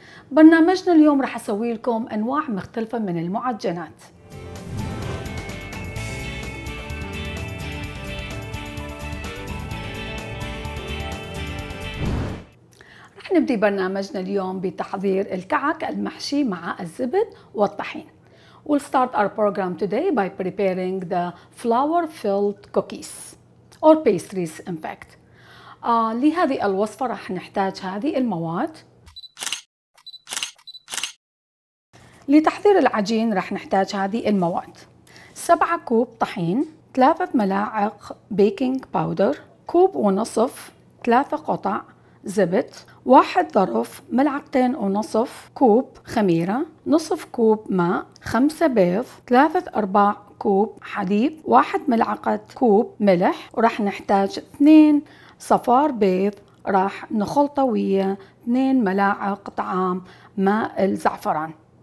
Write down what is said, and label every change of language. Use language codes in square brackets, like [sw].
[ar] برنامجنا اليوم رح أسوي لكم أنواع مختلفة من المعجنات. رح نبدي برنامجنا اليوم بتحضير الكعك المحشي مع الزبد والطحين. [en] We'll start our program today by preparing the flour-filled cookies or pastries, in fact. [ar] لهذه الوصفة رح نحتاج هذه المواد. لتحضير العجين رح نحتاج هذه المواد: 7 كوب طحين، 3 ملاعق بيكنج باودر، كوب ونصف 3 قطع زبد، 1 ظرف، ملعقتين ونصف كوب خميرة، نصف كوب ماء، 5 بيض، 3/4 كوب حليب، 1 ملعقة كوب ملح، ورح نحتاج 2 صفار بيض راح نخلطه ويا 2 ملاعق طعام ماء الزعفران.